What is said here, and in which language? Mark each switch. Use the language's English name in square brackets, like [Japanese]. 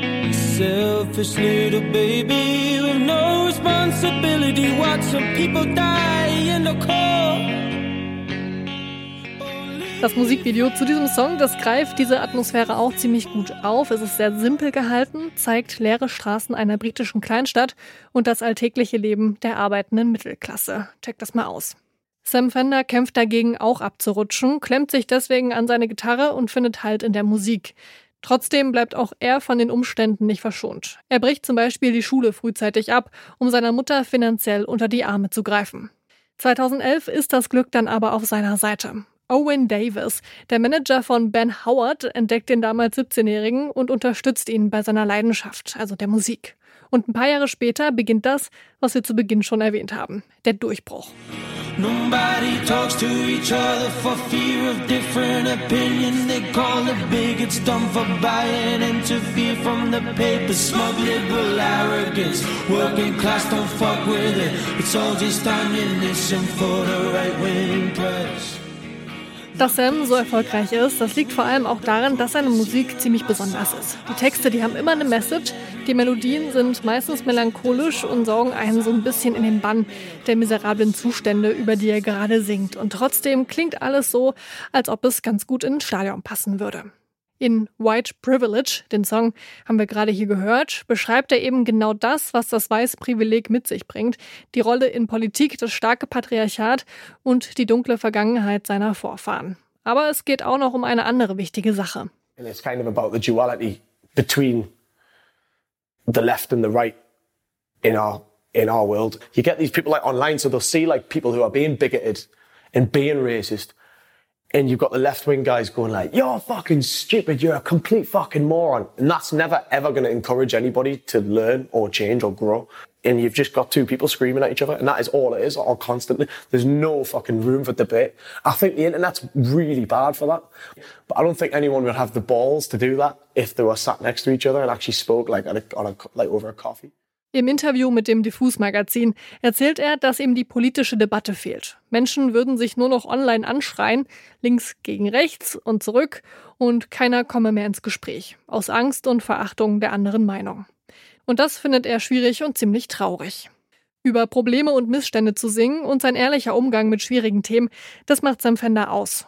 [English] Selfish little baby with no responsibility. Watch some people die in the cold. [German] Das Musikvideo zu diesem Song, das greift diese Atmosphäre auch ziemlich gut auf. Es ist sehr simpel gehalten, zeigt leere Straßen einer britischen Kleinstadt und das alltägliche Leben der arbeitenden Mittelklasse. Checkt das mal aus. Sam Fender kämpft dagegen auch abzurutschen, klemmt sich deswegen an seine Gitarre und findet Halt in der Musik. Trotzdem bleibt auch er von den Umständen nicht verschont. Er bricht zum Beispiel die Schule frühzeitig ab, um seiner Mutter finanziell unter die Arme zu greifen. 2011 ist das Glück dann aber auf seiner Seite. Owen Davis, der Manager von Ben Howard, entdeckt den damals 17-Jährigen und unterstützt ihn bei seiner Leidenschaft, also der Musik. Und ein paar Jahre später beginnt das, was wir zu Beginn schon erwähnt haben, der Durchbruch. [English] Nobody talks to each other for fear of different opinion. They call it big, it's dumb for buying into fear from the paper. Smug liberal arrogance, working class don't fuck with it. It's all just ammunition for the right-wing press. [German] Dass Sam so erfolgreich ist, das liegt vor allem auch daran, dass seine Musik ziemlich besonders ist. Die Texte, die haben immer eine Message, die Melodien sind meistens melancholisch und saugen einen so ein bisschen in den Bann der miserablen Zustände, über die er gerade singt. Und trotzdem klingt alles so, als ob es ganz gut in ein Stadion passen würde. In White Privilege, den Song haben wir gerade hier gehört, beschreibt er eben genau das, was das weiße Privileg mit sich bringt. Die Rolle in Politik, das starke Patriarchat und die dunkle Vergangenheit seiner Vorfahren. Aber es geht auch noch um eine andere wichtige Sache. [English] And it's kind of about the duality between the left and the right in our world. You get these people like online, so they'll see like people who are being bigoted and being racist. And you've got the left-wing guys going like, you're fucking stupid, you're a complete fucking moron. And that's never, ever going to encourage anybody to learn or change or grow. And you've just got two people screaming at each other, and that is all it is, or constantly. There's no fucking room for debate. I think the internet's really bad for that. But I don't think anyone would have the balls to do that if they were sat next to each other and actually spoke like over a coffee. [German] Im Interview mit dem Diffus-Magazin erzählt er, dass ihm die politische Debatte fehlt. Menschen würden sich nur noch online anschreien, links gegen rechts und zurück, und keiner komme mehr ins Gespräch, aus Angst und Verachtung der anderen Meinung. Und das findet er schwierig und ziemlich traurig. Über Probleme und Missstände zu singen und sein ehrlicher Umgang mit schwierigen Themen, das macht Sam Fender aus.